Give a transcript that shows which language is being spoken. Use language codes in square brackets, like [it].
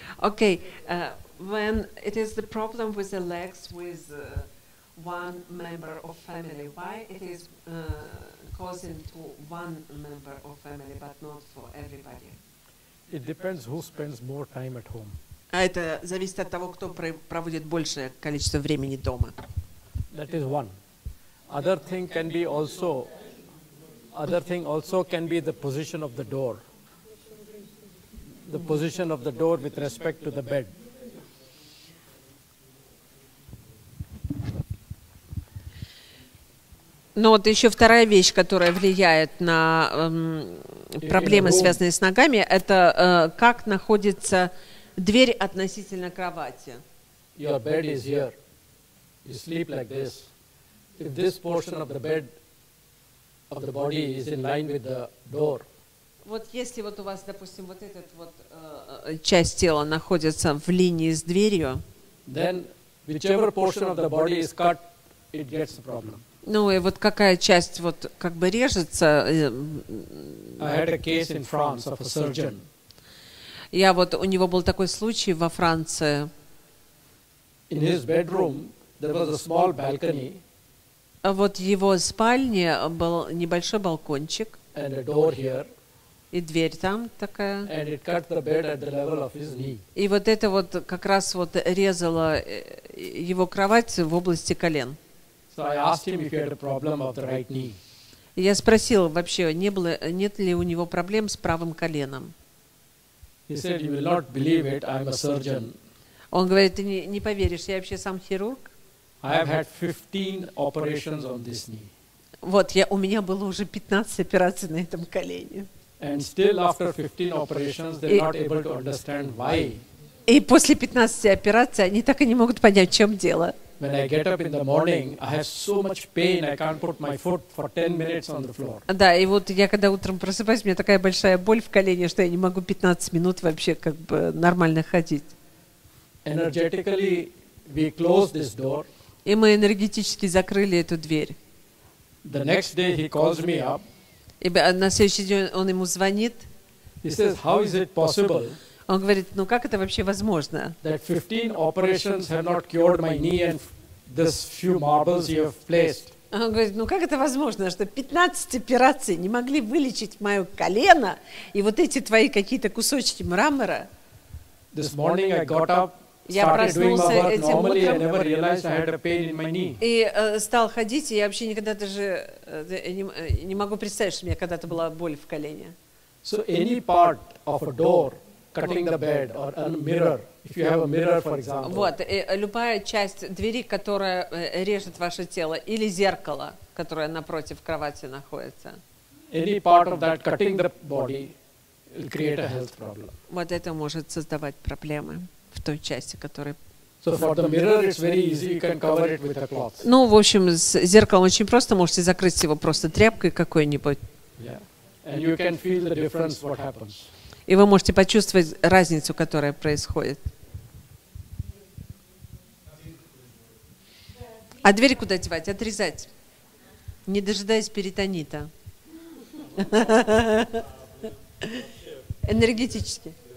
[en] Okay, when it is the problem with the legs with one member of family, why it is causing to one member of family but not for everybody? It depends who spends more time at home. [ru] А это зависит от того, кто проводит большее количество времени дома. [en] That is one. Other thing can be also, other thing also can be the position of the door. The position of the door with respect to the bed. [ru] Но вот еще вторая вещь, которая влияет на проблемы, связанные с ногами, это как находится дверь относительно кровати. [en] Your bed is here. You sleep like this. If this portion of the bed of the body is in line with the door. [ru] Вот если вот у вас, допустим, вот этот вот часть тела находится в линии с дверью, [en] then whichever portion of the body is cut, it gets a problem. [ru] Ну и вот какая часть вот как бы режется. [en] I had a case in France of a surgeon. [ru] Я вот у него был такой случай во Франции. [en] In his bedroom there was a small balcony. [ru] А вот в его спальне был небольшой балкончик. [en] And a door here. [ru] И дверь там такая. [en] And it cut the bed at the level of his knee. [ru] И вот это вот как раз вот резало его кровать в области колен. [en] So I asked him if he had a problem of the right knee. [ru] Я спросил вообще, не было, нет ли у него проблем с правым коленом. [en] He said, you will not believe it, I'm a surgeon. [ru] Он говорит, ты не поверишь, я вообще сам хирург. [en] I have had 15 operations on this knee. [ru] Вот, я, у меня было уже 15 операций на этом колене. [en] And still after 15 operations, they're not able to understand why. [ru] И после 15 операций они так и не могут понять, в чем дело. [en] When I get up in the morning, I have so much pain, I can't put my foot for 10 minutes on the floor. [ru] Да, и вот я когда утром просыпаюсь, у меня такая большая боль в колене, что я не могу 15 минут вообще как бы нормально ходить. [en] Energetically, we close this door. [ru] И мы энергетически закрыли эту дверь. [en] The next day he calls me up. [ru] И на следующий день он ему звонит. [en] He says, how is it possible? [ru] Он говорит, ну как это вообще возможно? [en] That 15 operations have not cured my knee and this few marbles you have placed. [ru] Он говорит, ну как это возможно, что 15 операций не могли вылечить мое колено и вот эти твои какие-то кусочки мрамора? [en] This morning I got up. [ru] Я проснулся этим утром и стал ходить, и я вообще никогда даже не могу представить, что у меня когда-то была боль в колене. [en] So any part of a door, cutting the bed or a mirror, if you have a mirror, for example. [ru] Вот, любая часть двери, которая режет ваше тело, или зеркало, которое напротив кровати находится. [en] Any part of that cutting the body will create a health problem. [ru] Вот это может создавать проблемы. В той части, которая... [en] So for the mirror, it's very easy. You can cover it with a cloth. [ru] Ну, в общем, с зеркалом очень просто. Можете закрыть его просто тряпкой какой-нибудь. [en] Yeah. And you can feel the difference what happens. [ru] И вы можете почувствовать разницу, которая происходит. А дверь куда девать? Отрезать. Не дожидаясь перитонита. Энергетически.